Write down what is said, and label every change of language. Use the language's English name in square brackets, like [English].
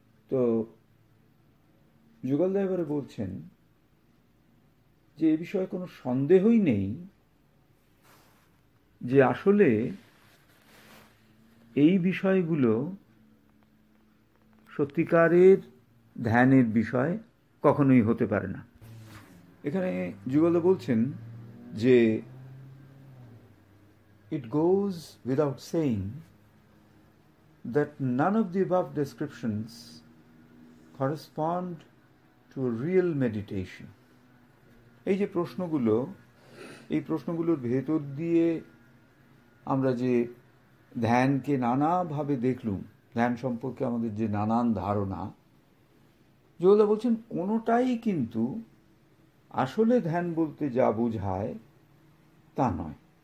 [Bangla] তো যুগল দেব বলছেন যে এ বিষয়ে কোনো সন্দেহই নেই যে আসলে এই বিষয়গুলো সত্যিকারের ধ্যানের বিষয় কখনোই হতে পারে না। এখানে যুগল বলছেন যে [English] It goes without saying that none of the above descriptions correspond to a real meditation. [Bangla] এই যে প্রশ্নগুলো, এই প্রশ্নগুলোর ভেতর দিয়ে আমরা যে ধ্যানকে নানাভাবে দেখলুম, ধ্যান সম্পর্কে আমাদের যে নানান ধারণা, যেগুলো বলছেন কোনোটাই কিন্তু আসলে ধ্যান বলতে যা বোঝায় তা নয়।